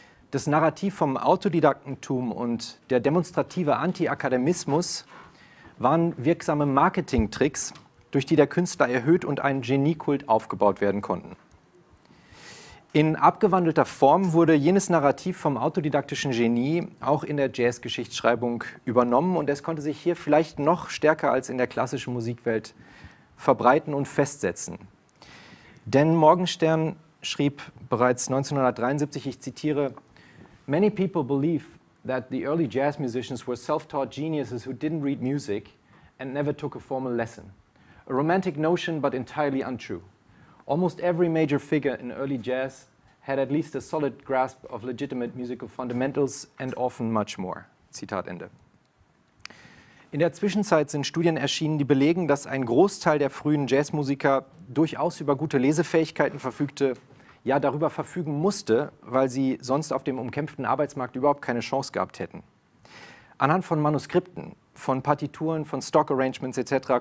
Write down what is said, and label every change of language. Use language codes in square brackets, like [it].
[de] Das Narrativ vom Autodidaktentum und der demonstrative Anti-Akademismus waren wirksame Marketing-Tricks, durch die der Künstler erhöht und ein Geniekult aufgebaut werden konnten. In abgewandelter Form wurde jenes Narrativ vom autodidaktischen Genie auch in der Jazz-Geschichtsschreibung übernommen und es konnte sich hier vielleicht noch stärker als in der klassischen Musikwelt verbreiten und festsetzen. Denn Morgenstern schrieb bereits 1973, ich zitiere, [en] "Many people believe that the early jazz musicians were self-taught geniuses who didn't read music and never took a formal lesson. A romantic notion, but entirely untrue. Almost every major figure in early jazz had at least a solid grasp of legitimate musical fundamentals and often much more." [de] Zitat Ende. In der Zwischenzeit sind Studien erschienen, die belegen, dass ein Großteil der frühen Jazzmusiker durchaus über gute Lesefähigkeiten verfügte, ja darüber verfügen musste, weil sie sonst auf dem umkämpften Arbeitsmarkt überhaupt keine Chance gehabt hätten. Anhand von Manuskripten, von Partituren, von Stock-Arrangements etc.